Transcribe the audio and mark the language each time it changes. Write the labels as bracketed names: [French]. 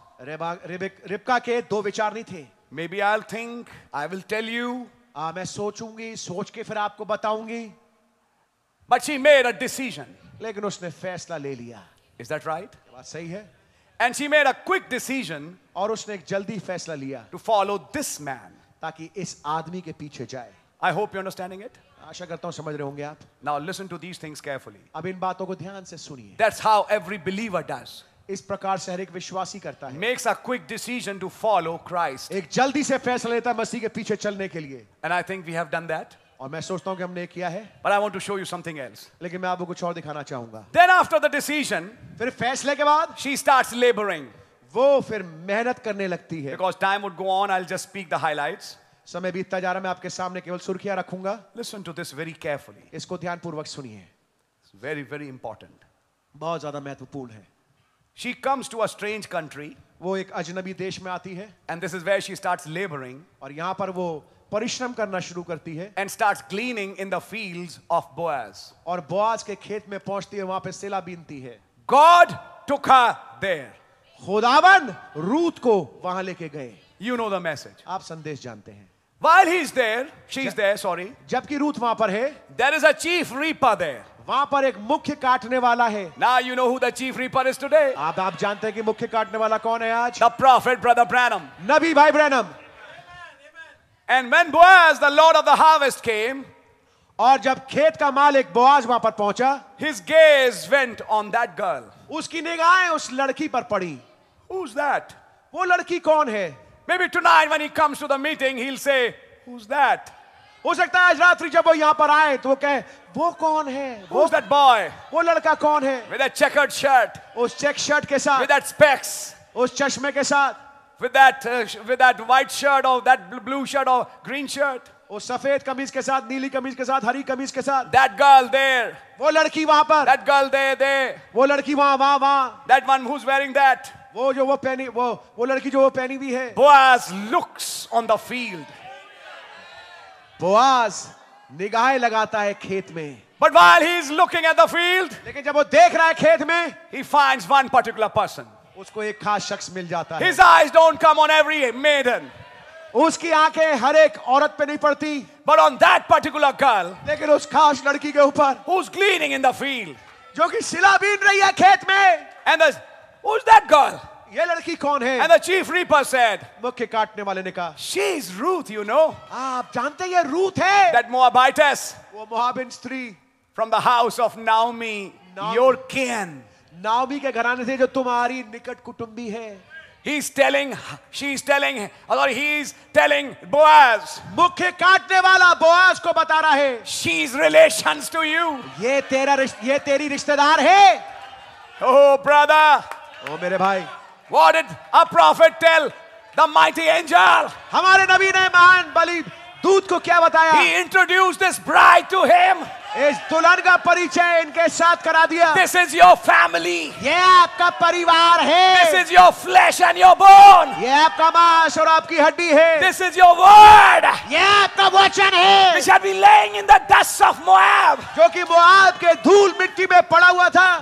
[Hindi] रिबका के दो विचार नहीं थे. [English] Maybe I'll think, I will tell you. [Hindi] मैं सोचूंगी, सोच के फिर आपको बताऊंगी. [English] But she made a decision. [Hindi] लेकिन उसने फैसला ले लिया. [English] Is that right? [Hindi] बात सही है. [English] And she made a quick decision. [Hindi] और उसने एक जल्दी फैसला लिया. [English] To follow this man. [Hindi] ताकि इस आदमी के पीछे जाए. [English] I hope you're understanding it. [Hindi] आशा करता हूं समझ रहे होंगे आप. [English] Now listen to these things carefully. [Hindi] अब इन बातों को ध्यान से सुनिए. [English] That's how every believer does. [Hindi] इस प्रकार से हर एक विश्वासी करता है. [English] Makes a quick decision to follow Christ. [Hindi] एक जल्दी से फैसला लेता है मसीह के पीछे चलने के लिए. [English] And I think we have done that. [Hindi] और मैं सोचता हूं कि हमने किया है. [English] But I want to show you something else. [Hindi] लेकिन मैं आपको कुछ और दिखाना चाहूंगा. [English] Then after the decision, [Hindi] फिर फैसले के बाद, [English] she starts laboring. [Hindi] वो फिर मेहनत करने लगती है. [English] Because time would go on, I'll just speak the highlights. [Hindi] समय बीतता जा रहा, मैं आपके सामने केवल सुर्खियां रखूंगा. [English] Listen to this very carefully. [Hindi] इसको ध्यानपूर्वक सुनिए. [English] It's very, very important. [Hindi] बहुत ज्यादा महत्वपूर्ण है. [English] She comes to a strange country. [Hindi] वो एक अजनबी देश में आती है. [English] And this is where she starts laboring. [Hindi] और यहाँ पर वो परिश्रम करना शुरू करती है. [English] And starts gleaning in the fields of Boaz. [Hindi] और बोआज के खेत में पहुंचती है, वहां पे सेला बीनती है. [English] God took her there. [Hindi] खुदावन रूथ को वहां लेके गए. [English] You know the message. [Hindi] आप संदेश जानते हैं. [English] While he's there, she's there. Sorry. [Hindi] जबकि रूथ वहां पर है. [English] There is a chief reaper there. [Hindi] वहां पर एक मुख्य काटने वाला है. [English] Now you know who the chief reaper is today. [Hindi] आप जानते हैं कि मुख्य काटने वाला कौन है आज? [English] The prophet brother Branham. [Hindi] नबी भाई Branham. Amen, [English] amen. And when Boaz, the lord of the harvest, came, [Hindi] और जब खेत का मालिक बोआज वहां पर पहुंचा, [English] his gaze went on that girl. [Hindi] उसकी निगाहें उस लड़की पर पड़ी. [English] Who's that? [Hindi] वो लड़की कौन है? [English] Maybe tonight when he comes to the meeting, he'll say, "Who's that?" [Hindi] हो सकता है आज रात्रि जब वो यहाँ पर आए तो वो कहे, वो कौन है? [English] Who's that boy? [Hindi] वो लड़का कौन है? [English] With that checkered shirt. [Hindi] उस check shirt के साथ. [English] With that specs. [Hindi] उस चश्मे के साथ. [English] With that white shirt or that blue shirt or green shirt. [Hindi] उस सफेद कमीज के साथ, नीली कमीज के साथ, हरी कमीज के साथ. [English] That girl there. [Hindi] वो लड़की वहाँ पर. [English] That girl there. [Hindi] वो लड़की वहाँ वहाँ वहाँ. [English] That one who's wearing that. [Hindi] वो जो वो पहनी, वो लड़की जो वो पहनी हुई है. [English] Boaz looks on the field. [Hindi] Boaz निगाहें लगाता है खेत में. [English] But while he is looking at the field, [Hindi] लेकिन जब वो देख रहा है खेत में, [English] he finds one particular person. [Hindi] उसको एक खास शख्स मिल जाता [English] है. His eyes don't come on every maiden. [Hindi] उसकी आंखें हर एक औरत पे नहीं पड़ती. [English] But on that particular girl, [Hindi] लेकिन उस खास लड़की के ऊपर, [English] who's gleaning in the field, [Hindi] जो कि सिला बीन रही है खेत में. [English] And who's that girl? [Hindi] ये लड़की कौन है? [English] And the chief reaper said, [Hindi] मुख्य काटने वाले ने कहा, [English] she's Ruth, you know. [Hindi] आप जानते हैं ये रूथ है. [English] That Moabites, [Hindi] वो मोआबिन स्त्री, [English] from the house of Naomi, your kin. [Hindi] Naomi के घराने से जो तुम्हारी निकट कुटुंबी है. [English] He is telling Boaz. [Hindi] मुख्य काटने वाला बोआज को बता रहा है. [English] She is relations to you. [Hindi] ये तेरी रिश्तेदार है. [English] Oh brother. [Hindi] Oh मेरे भाई. [English] What did a prophet tell the mighty angel? [Hindi] हमारे नबी ने महान बलि दूत को क्या बताया? [English] He introduced this bride to him. [Hindi] इस दुल्हन का परिचय इनके साथ करा दिया. [English] This is your family. [Hindi] ये आपका परिवार है. [English] This is your flesh and your bone. [Hindi] ये आपका मांस और आपकी हड्डी है. [English] This is your word. [Hindi] ये आपका वचन है. [English] Which had been laying in the dust of Moab. [Hindi] जो कि मोआब के धूल मिट्टी में पड़ा हुआ था.